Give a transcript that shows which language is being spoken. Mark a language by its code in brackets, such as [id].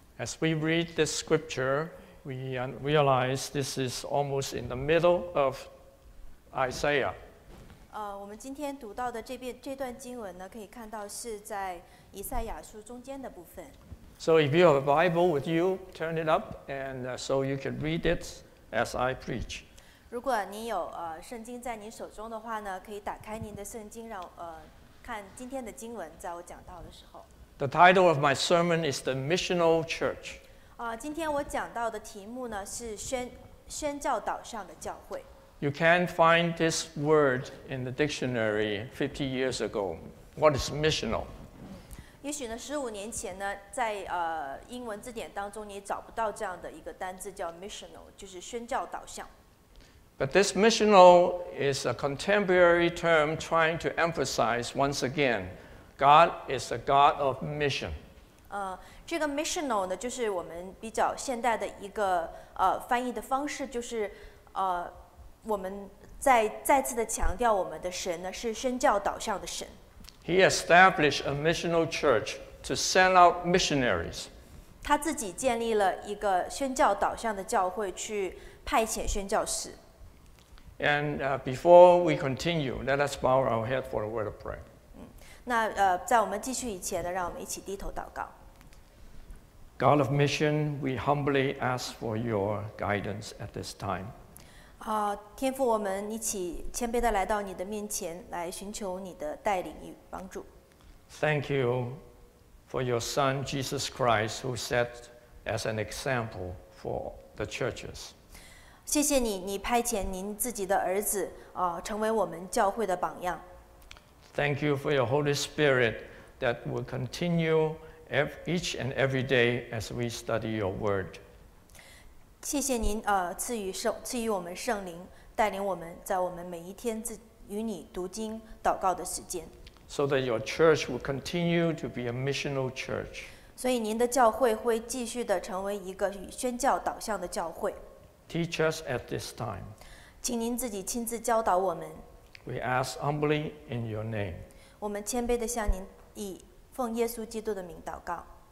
[en] As we read this scripture, we realize this is almost in the middle of Isaiah. [zh] 我们今天读到的这段经文呢，可以看到是在以赛亚书中间的部分。 [en] So if you have a Bible with you, turn it up, and so you can read it as I preach. [zh] 如果你有圣经在你手中的话呢，可以打开您的圣经，让看今天的经文，在我讲到的时候。 [en] The title of my sermon is the Missional Church. [zh] 今天我讲到的题目呢是宣教岛上的教会。 [en] You can find this word in the dictionary 50 years ago. What is missional? [zh] 也许呢，十五年前呢，在英文字典当中，你也找不到这样的一个单字叫 missional， 就是宣教岛上。 [en] But this missional is a contemporary term trying to emphasize once again, God is a God of mission. [zh] 这个 missional 呢，就是我们比较现代的一个翻译的方式，就是我们再次的强调我们的神呢是宣教导向的神。 [en] He established a missional church to send out missionaries. [zh] 他自己建立了一个宣教导向的教会，去派遣宣教士。 [en] And before we continue, let us bow our head for a word of prayer. [zh] 那在我们继续以前呢，让我们一起低头祷告。 [en] God of mission, we humbly ask for your guidance at this time. [zh] 天父，我们一起谦卑地来到你的面前，来寻求你的带领与帮助。 [en] Thank you for your Son Jesus Christ, who set as an example for the churches. [zh] 谢谢你，你派遣您自己的儿子，成为我们教会的榜样。 [en] Thank you for your Holy Spirit that will continue each and every day as we study your word. [zh] 谢谢您，赐予我们圣灵，带领我们在我们每一天与你读经祷告的时间。 [en] So that your church will continue to be a missional church. [zh] 所以您的教会会继续的成为一个与宣教导向的教会。 [en] Teach us at this time. [zh] 请您自己亲自教导我们。 [en] We ask humbly in your name. [zh] 我们谦卑地向您以奉耶稣基督的名祷告。